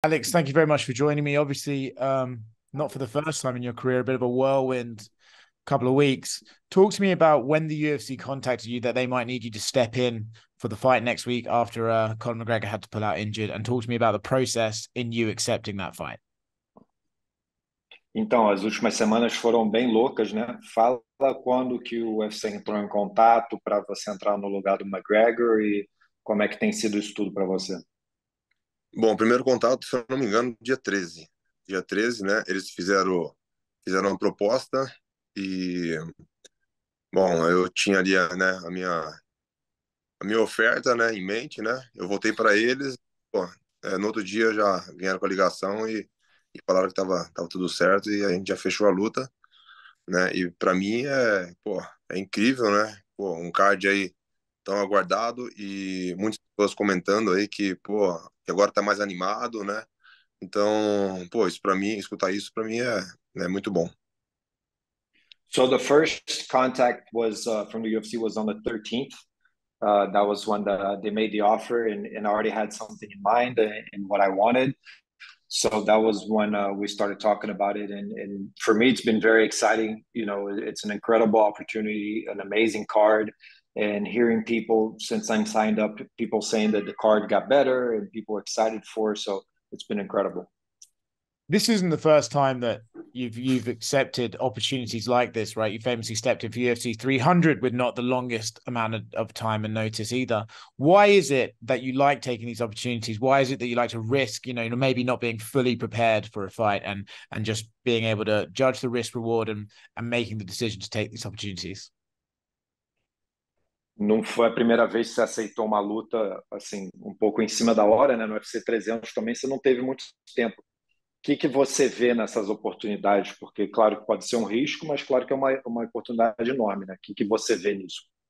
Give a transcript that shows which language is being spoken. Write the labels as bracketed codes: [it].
[en] Alex, thank you very much for joining me. Obviously, not for the first time in your career, a bit of a whirlwind couple of weeks. Talk to me about when the UFC contacted you that they might need you to step in for the fight next week after Conor McGregor had to pull out injured, and talk to me about the process in you accepting that fight. [pt] Então, as últimas semanas foram bem loucas, né? Fala quando que o UFC entrou em contato para você entrar no lugar do McGregor e como é que tem sido isso tudo para você? Bom, primeiro contato, se eu não me engano, dia 13. Dia 13, né? Eles fizeram uma proposta e, bom, eu tinha ali, né, a minha oferta, né, em mente, né? Eu voltei para eles. Bom, no outro dia já vieram com a ligação e falaram que tava tudo certo e a gente já fechou a luta, né? E para mim é incrível, né? Pô, um card aí tão aguardado e muitas pessoas comentando aí que agora tá mais animado, né? Então, pô, isso para mim, escutar isso para mim é muito bom. [en] So the first contact was from the UFC was on the 13th. That was when they made the offer, and I already had something in mind and what I wanted. So that was when we started talking about it. And for me, it's been very exciting. You know, it's an incredible opportunity, an amazing card. And hearing people since I'm signed up, people saying that the card got better and people are excited for it. So it's been incredible. This isn't the first time that you've accepted opportunities like this, right? You famously stepped in for UFC 300 with not the longest amount of time and notice either. Why is it that you like taking these opportunities? Why is it that you like to risk, maybe not being fully prepared for a fight and just being able to judge the risk reward and making the decision to take these opportunities? [pt] Não foi a primeira vez que você aceitou uma luta assim, um pouco em cima da hora, né? No UFC 300 também você não teve muito tempo. O que que você vê nessas oportunidades? Porque claro que pode ser um risco, mas claro que é uma oportunidade enorme, né? O que que você vê nisso?